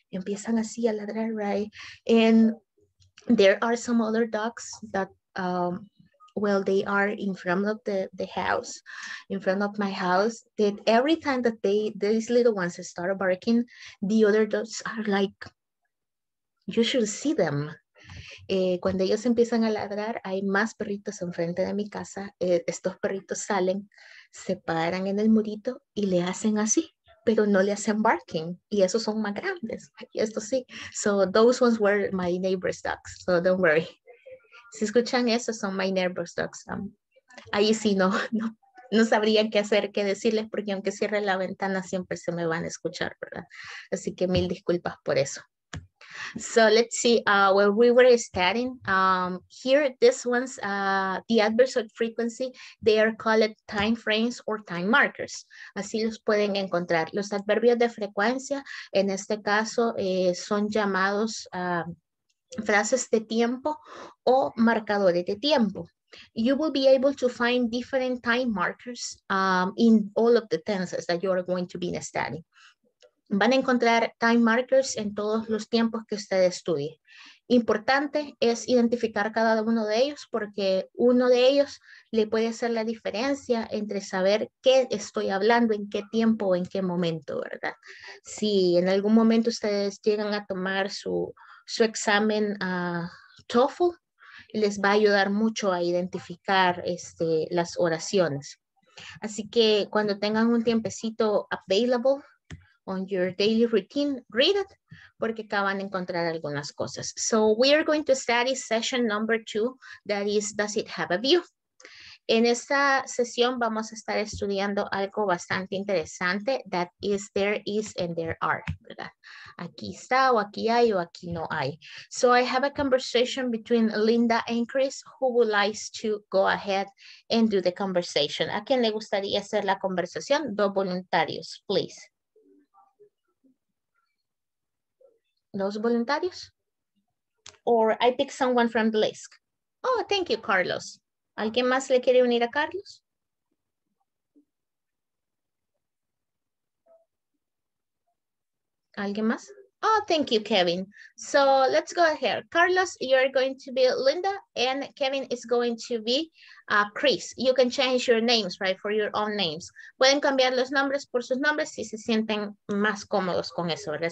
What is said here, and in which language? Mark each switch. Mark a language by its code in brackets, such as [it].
[es] Empiezan así a ladrar, [en] right? And there are some other dogs that, well, they are in front of the house, in front of my house, that every time that they, these little ones start barking, the other dogs are like, you should see them. [es] Cuando ellos empiezan a ladrar, hay más perritos enfrente de mi casa. Estos perritos salen, se paran en el murito y le hacen así, pero no le hacen barking. Y esos son más grandes. Y esto sí. [en] So those ones were my neighbor's dogs. So don't worry. [es] Si escuchan eso, son [en] my neighbor's dogs. [es] Ahí sí, no sabría qué hacer, qué decirles, porque aunque cierre la ventana, siempre se me van a escuchar, ¿verdad? Así que mil disculpas por eso. [en] So let's see, where we were starting, here, this one's the adverbs of frequency, they are called time frames or time markers. [es] Así los pueden encontrar. Los adverbios de frecuencia, en este caso, son llamados frases de tiempo o marcadores de tiempo. [en] You will be able to find different time markers in all of the tenses that you are going to be studying. [es] Van a encontrar time markers en todos los tiempos que usted estudie. Importante es identificar cada uno de ellos porque uno de ellos le puede hacer la diferencia entre saber qué estoy hablando, en qué tiempo o en qué momento, ¿verdad? Si en algún momento ustedes llegan a tomar su examen TOEFL, les va a ayudar mucho a identificar las oraciones. Así que cuando tengan un tiempecito [en] available, on your daily routine, read it, [es] porque acaban de encontrar algunas cosas. [en] So we are going to study session number 2, that is, does it have a view? [es] En esta sesión vamos a estar estudiando algo bastante interesante, [en] that is, there is and there are, [es] ¿verdad? Aquí está, o aquí hay, o aquí no hay. [en] So I have a conversation between Linda and Chris, who would like to go ahead and do the conversation. [es] ¿A quién le gustaría hacer la conversación? Dos voluntarios, please. Los voluntarios? [en] Or I pick someone from the list. Oh, thank you, [es] Carlos. ¿Alguien más le quiere unir a Carlos? ¿Alguien más? [en] Oh, thank you, Kevin. So let's go ahead. Carlos, you're going to be Linda and Kevin is going to be Chris. You can change your names, right, for your own names. [es] Pueden cambiar los nombres por sus nombres si se sienten más cómodos con eso, ¿verdad?